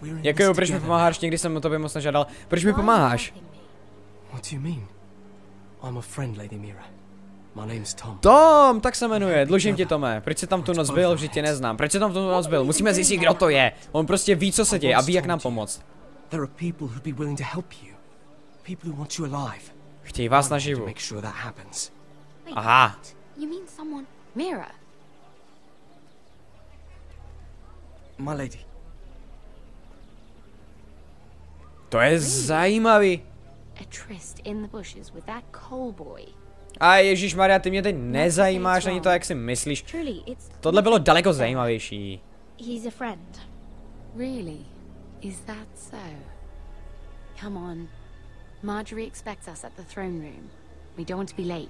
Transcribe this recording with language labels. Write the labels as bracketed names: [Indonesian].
[Czech] Děkuju, proč mi pomáháš, nikdy jsem o tobě moc nežádal. Proč mi pomáháš? [English] What do you mean? I'm a friend, Lady Mira. My name's Tom. [Czech] Tom, tak se jmenuje, dlužím ti, Tome. Proč se tam tu noc byl, že tě neznám. Proč se tam tu noc byl? Musíme zjistit, kdo to je. On prostě ví, co se děje a ví, jak nám pomoct. [English] There are people who'd be willing to help you. People who want you alive. [Czech] Chtějí vás naživu. [English] Make sure that happens. Aha. You mean someone, Mira? My lady. [Czech] To je zajímavý. [English] A tryst in the bushes with that coal boy. [Czech] A Ježíš Maria, ty mě teď nezajímáš ani to, jak si myslíš. Tohle bylo daleko zajímavější. [English] He's a friend. Really? Is that so? Come on. Marjorie expects us at the throne room. We don't want to be late.